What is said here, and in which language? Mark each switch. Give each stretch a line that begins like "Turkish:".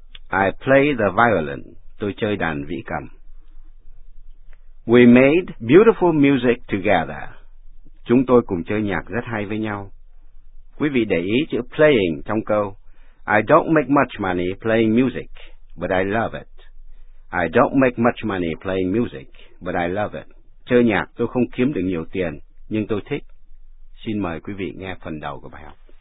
English: I play the violin,
Vietnamese: tôi chơi đàn vĩ cầm.
English: We made beautiful music together.
Vietnamese: Chúng tôi cùng chơi nhạc rất hay với nhau. Quý vị để ý chữ playing trong câu.
English: I don't make much money playing music, but I love it. I don't make much money playing music, but I love it.
Vietnamese: Chơi nhạc tôi không kiếm được nhiều tiền, nhưng tôi thích. Xin mời quý vị nghe phần đầu của bài học.